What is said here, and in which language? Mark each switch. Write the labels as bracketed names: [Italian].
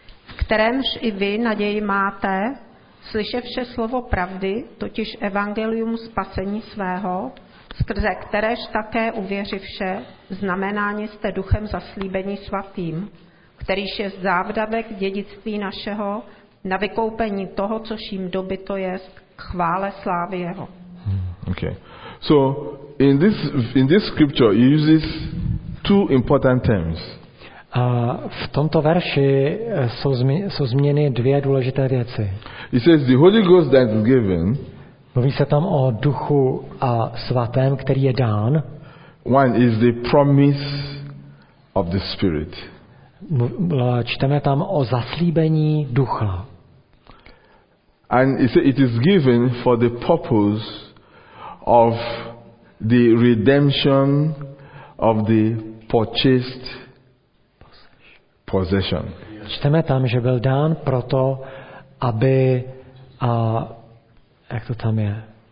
[Czech] V kterémž i vy naději máte, slyševše slovo pravdy, totiž evangelium spasení svého, skrze kteréž také uvěřivše, znamenáni jste duchem zaslíbení svatým, kterýž je závdavek dědictví našeho na vykoupení toho, což jim dobyto jest, k chvále slávy jeho. [English] Okay. So in this scripture he uses two important terms. [Czech] V tomto verši jsou zmíněny dvě důležité věci. [English] It says the Holy Ghost that is given. [Czech] Mluví se tam o duchu a svatém, který je dán. [English] One is the promise of the Spirit. [Czech] Čteme tam o zaslíbení ducha. [English] And it is given for the purpose of the redemption of the purchased possession. [Czech] Čteme tam, že byl dán proto, aby a jak to tam je?